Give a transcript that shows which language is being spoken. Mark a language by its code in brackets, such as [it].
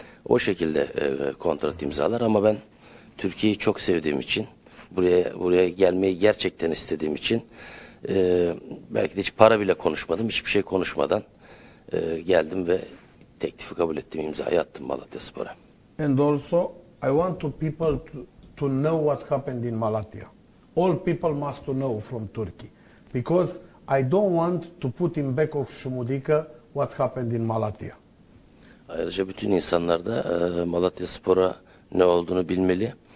[tr] O şekilde kontrat imzalar ama ben Türkiye'yi çok sevdiğim için, buraya gelmeyi gerçekten istediğim için Belki de hiç para bile konuşmadım, hiçbir şey konuşmadan geldim ve teklifi kabul ettim, imzayı attım Malatyaspor'a. [en] And also I want to people to know what happened in Malatya. All people must to know from Turkey. Because I don't want to put in back of Şumudika what happened in Malatya. [tr] Ayrıca bütün insanlar da Malatyaspor'a ne olduğunu bilmeli.